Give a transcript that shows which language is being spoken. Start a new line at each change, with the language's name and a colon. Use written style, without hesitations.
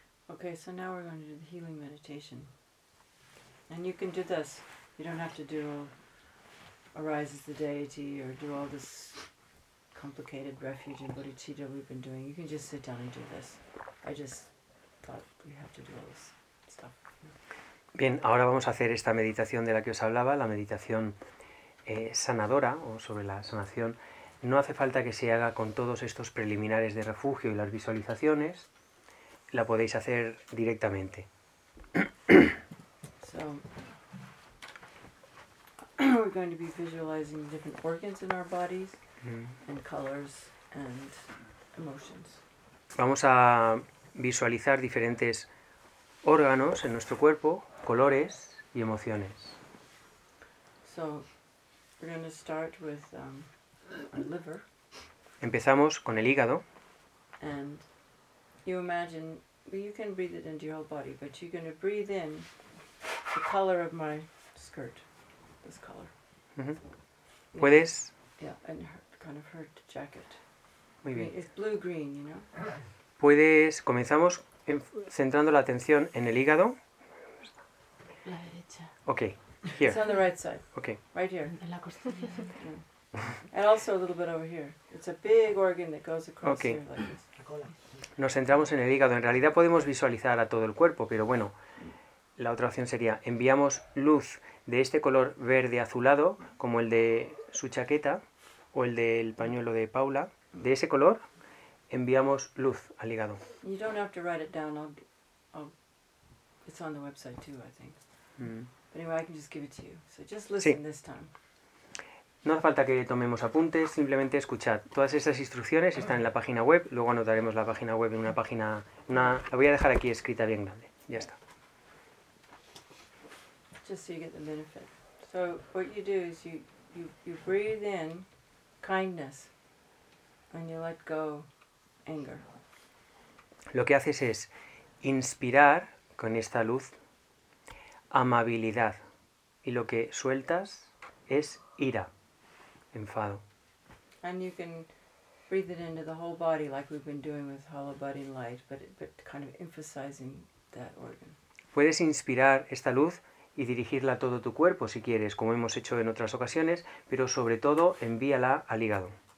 English: Okay, so now we're going to do the healing meditation. And you can do this. You don't have to do Arise as the Deity or do all this complicated refuge and bodhicitta we've been doing. You can just sit down and do this. I just thought we have to do all this stuff.
Spanish: Bien, ahora vamos a hacer esta meditación de la que os hablaba, la meditación sanadora o sobre la sanación. No hace falta que se haga con todos estos preliminares de refugio y las visualizaciones. La podéis hacer directamente.
English: So, we're going to be visualizing different organs in our bodies and colors and emotions.
Spanish: Vamos a visualizar diferentes órganos en nuestro cuerpo, colores y emociones.
English: So, we're going to start with our liver.
Spanish: Empezamos con el hígado.
English: And you imagine, well, you can breathe it into your whole body, but you're going to breathe in the color of my skirt, this color.
Spanish: Mm-hmm. ¿Puedes?
English: Yeah, and her, kind of her jacket.
Spanish: Muy bien.
English: It's blue-green, you know?
Spanish: Puedes, comenzamos centrando la atención en el hígado. La derecha.
English: Okay, here. It's on the right side. Okay. Right here.
Spanish: En la costilla. Yeah.
English: And also a little bit over here. It's a big organ that goes across okay. here like this.
Spanish: Nos centramos en el hígado. En realidad podemos visualizar a todo el cuerpo, pero bueno, la otra opción sería enviamos luz de este color verde azulado, como el de su chaqueta o el del pañuelo de Paula, de ese color enviamos luz al hígado.
English: You don't have to write it down. It's on the website too, I think. But anyway, I can just give it to you. So just listen this time.
Spanish: No hace falta que tomemos apuntes, simplemente escuchad. Todas esas instrucciones están en la página web, luego anotaremos la página web en una página... La voy a dejar aquí escrita bien grande. Ya está.
English: Just so you get the benefit. So, what you do is you breathe in kindness and you let go anger.
Spanish: Lo que haces es inspirar con esta luz amabilidad y lo que sueltas es ira. Enfado.
English: And you can breathe it into the whole body like we've been doing with hollow body light, but kind of emphasizing that organ.
Spanish: Puedes inspirar esta luz y dirigirla a todo tu cuerpo si quieres, como hemos hecho en otras ocasiones, pero sobre todo envíala al hígado.